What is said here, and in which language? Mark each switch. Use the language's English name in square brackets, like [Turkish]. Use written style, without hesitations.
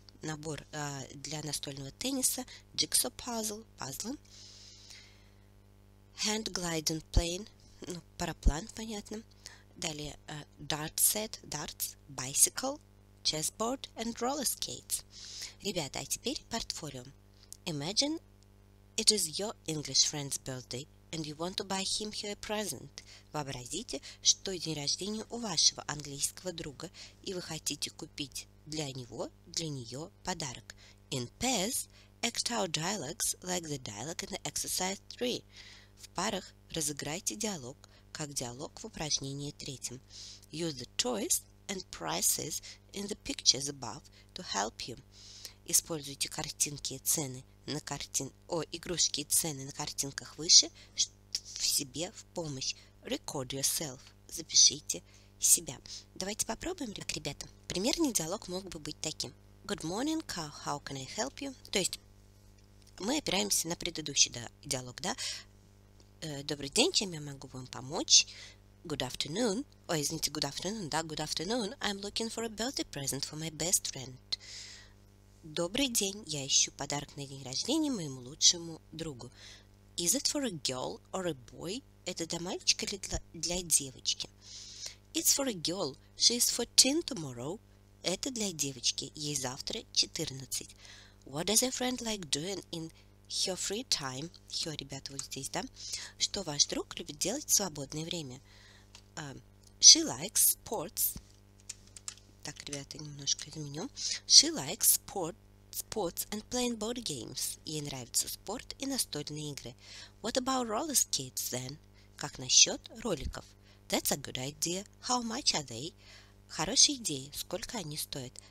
[Russian] Набор для настольного тенниса. [English] Jigsaw puzzle. [Russian] Пазл. [English] Hand gliding plane. [Russian] Ну, параплан, понятно. Далее, [English] dart set. Darts. Bicycle. Chessboard and roller skates. [Russian] Ребята, а теперь портфолио. [English] Imagine it is your English friend's birthday and you want to buy him here a present. [Russian] Вообразите, что день рождения у вашего английского друга, и вы хотите купить для него, для нее подарок. [English] In pairs, act out dialogues like the dialogue in the exercise 3. [Russian] В парах разыграйте диалог, как диалог в упражнении третьем. [English] Use the choice and prices in the pictures above to help you. Используйте картинки и цены на игрушки и цены на картинках выше в себе в помощь. Record yourself. [Russian] Запишите себя. Давайте попробуем, ребята. Примерный диалог мог бы быть таким. [English] Good morning, car. How can I help you? [Russian] То есть мы опираемся на предыдущий диалог, да? Добрый день, чем я могу вам помочь? [English] Good afternoon. Good afternoon. I'm looking for a birthday present for my best friend. [Russian] Добрый день. Я ищу подарок на день рождения моему лучшему другу. [English] Is it for a girl or a boy? [Russian] Это для мальчика или для девочки? [English] It's for a girl. She is 14 tomorrow. [Russian] Это для девочки. Ей завтра 14. [English] What does your friend like doing in her free time? [Russian] Her, ребята, вот здесь, да? Что ваш друг любит делать в свободное время? [English] She likes sports. [Russian] Так, ребята, немножко изменю. [English] She likes sports and playing board games. [Russian] Ей нравится спорт и настольные игры. [English] What about roller skates then? [Russian] Как насчет роликов? [English] That's a good idea. How much are they? [Russian] Хорошая идея. Сколько они стоят?